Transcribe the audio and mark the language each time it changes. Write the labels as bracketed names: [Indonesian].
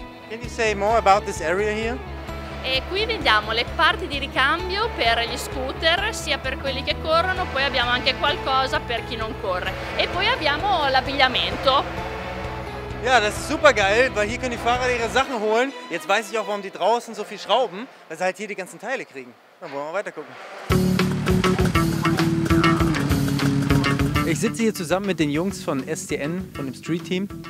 [English] Can you say more about this area here? [Italian] E qui vediamo le parti di ricambio per gli scooter, sia per quelli che corrono, poi abbiamo anche qualcosa per chi non corre. E poi abbiamo l'abbigliamento. [German] Ja, das ist super geil, weil hier können die Fahrer ihre Sachen holen. Jetzt weiß ich auch, warum die draußen so viel schrauben, weil sie halt hier die ganzen Teile kriegen. Dann wollen wir weiter gucken. Ich sitze hier zusammen mit den Jungs von STN, von dem Street Team.